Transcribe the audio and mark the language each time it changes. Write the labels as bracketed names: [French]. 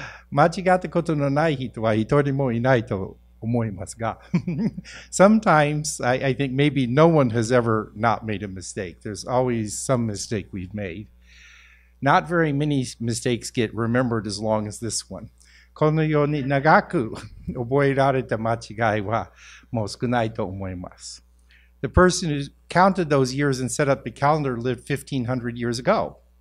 [Japanese] 間違ったことのない人は一人もいないと思いますが。 [English] Sometimes, I think maybe no one has ever not made a mistake. There's always some mistake we've made. Not very many mistakes get remembered as long as this one. [Japanese] このように長く覚えられた間違いはもう少ないと思います。 [English] The person who counted those years and set up the calendar lived 1500 years ago.